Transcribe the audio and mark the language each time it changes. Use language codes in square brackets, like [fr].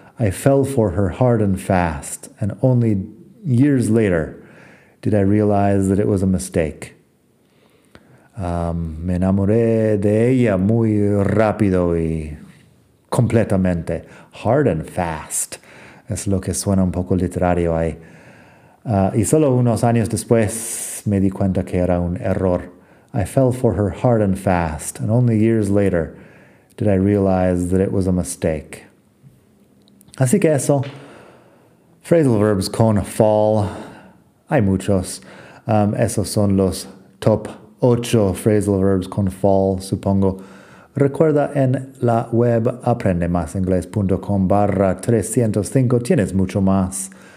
[en] I fell for her hard and fast, and only years later did I realize that it was a mistake. [es] Me enamoré de ella muy rápido y completamente. Hard and fast es lo que suena un poco literario ahí. Y solo unos años después me di cuenta que era un error. [en] I fell for her hard and fast, and only years later did I realize that it was a mistake. [es] Así que eso, phrasal verbs con fall, hay muchos. Esos son los top 8 phrasal verbs con fall, supongo. Recuerda en la web aprendemasingles.com/305, tienes mucho más.